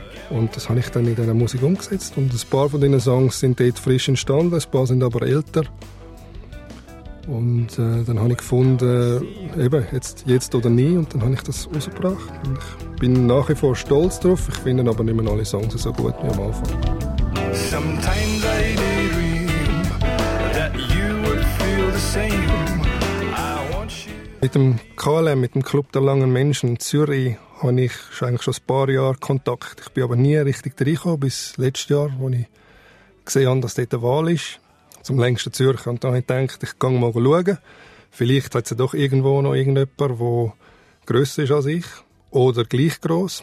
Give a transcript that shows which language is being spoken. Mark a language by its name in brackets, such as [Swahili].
[German] Und das habe ich dann in dieser Musik umgesetzt. Und ein paar von diesen Songs sind dort frisch entstanden, ein paar sind aber älter. Und dann habe ich gefunden, eben, jetzt oder nie, und dann habe ich das rausgebracht. Und ich bin nach wie vor stolz drauf, ich finde aber nicht mehr alle Songs so gut wie am Anfang. [English] Sometimes I dream that you would feel the same. [German] Mit dem KLM, mit dem Club der langen Menschen in Zürich, habe ich schon, eigentlich schon ein paar Jahre Kontakt. Ich bin aber nie richtig reingekommen, bis letztes Jahr, als ich gesehen habe, dass dort eine Wahl ist, zum längsten Zürcher. Und dann habe ich gedacht, ich gehe mal schauen. Vielleicht hat es ja doch irgendwo noch irgendjemanden, der grösser ist als ich oder gleich gross.